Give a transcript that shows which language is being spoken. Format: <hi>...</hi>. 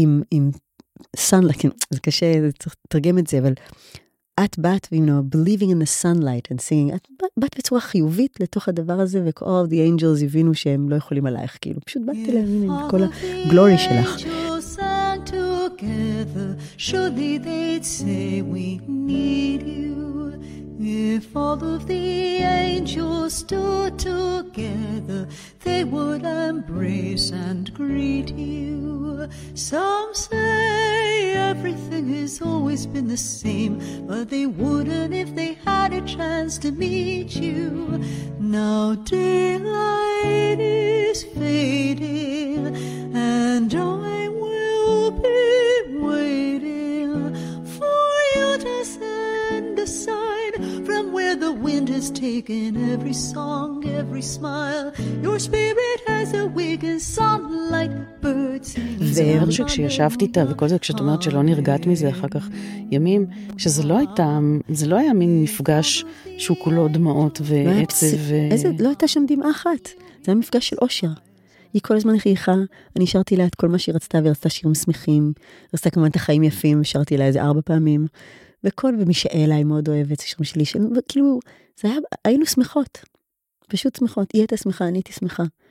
<he>עם sunlight, זה קשה, צריך לתרגם את זה, אבל את באת,</he> <en>you know, believing in the sunlight and singing,</en> <he>את באת בצורה חיובית לתוך הדבר הזה, וכל</he> <en>the angels</en> <he>הבינו שהם לא יכולים עלייך, כאילו, פשוט באת אליהם, הנה, כל הגלורי שלך.</he> <en>Together, surely they'd say we need you. If all of the angels stood together, they would embrace and greet you. Some say everything has always been the same, but they wouldn't if they had a chance to meet you. Now daylight is fading, and I will be waiting for you to send a sign from where the wind has taken every song, every smile. Your spirit has awakened sunlight birds.</en> <he>זה ערב שכשישבת איתה, וכל זה כשאת אומרת שלא נרגעת מזה, אחר כך ימים, שזה לא הייתה, זה לא היה מין מפגש שהוא כולו דמעות ועצב. לא הייתה שם דמעה אחת. זה היה מפגש של אושר. היא כל הזמן חייכה, אני שרתי לה את כל מה שהיא רצתה, והיא רצתה שירים שמחים, רצתה כמובן את החיים יפים, שרתי לה איזה 4 פעמים, וכל ומי שאלה היא מאוד אוהבת, שירים שלי, וכאילו, זה היה, היינו שמחות, פשוט שמחות, היא הייתה שמחה, אני הייתי שמחה.</he>